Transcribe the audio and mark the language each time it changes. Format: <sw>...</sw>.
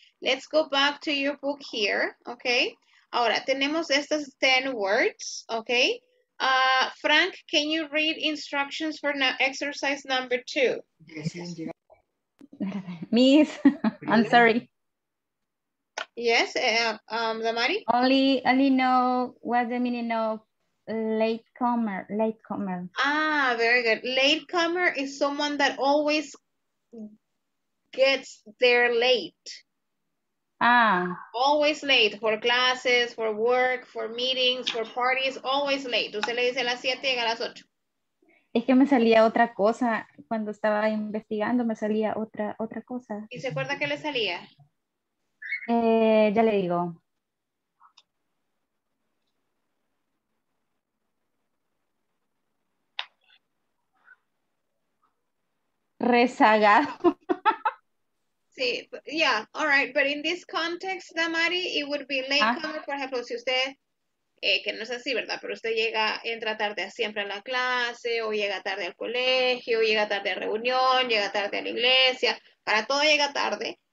<en>Let's go back to your book here, okay?</en> <es>Ahora, tenemos estas 10 words, okay?</es> <en>Frank, can you read instructions for exercise number 2? Miss, I'm sorry. Yes, Damari? Only know what the meaning of latecomer. Ah, very good. Latecomer is someone that always gets there late. Ah. Always late for classes, for work, for meetings, for parties, always late.</en> <es>Usted le dice a las 7 y llega a las 8. Es que me salía otra cosa cuando estaba investigando, me salía otra cosa. ¿Y se acuerda qué le salía? Ya le digo. Rezagado. Sí,</es> <en>yeah, all right. But in this context, Damari, it would be latecomer.</en> <es>Por ejemplo, si usted, que no es así, ¿verdad? Pero usted entra tarde siempre a la clase, o llega tarde al colegio, o llega tarde a reunión, llega tarde a la iglesia, para todo llega tarde.</es>